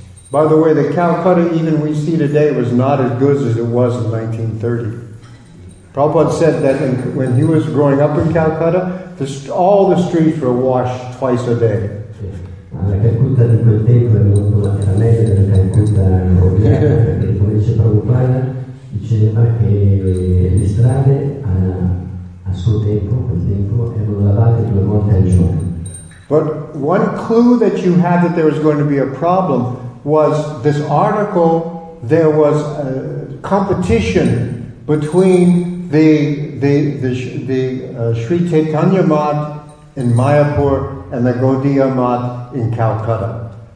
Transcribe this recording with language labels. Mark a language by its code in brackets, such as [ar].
[en] By the way, the Calcutta even we see today was not as good as it was in 1930. Prabhupada said that when he was growing up in Calcutta, all the streets were washed twice a day. [it] La Calcutta di quel tempo era molto la meglio della Calcutta odierna, perché invece Prabhupada diceva che le strade a suo tempo, quel tempo, erano lavate due volte al giorno. [en] But one clue that you had that there was going to be a problem was this article, there was a competition between the Sri Chaitanya Math in Mayapur and the Gaudiya Math in Calcutta.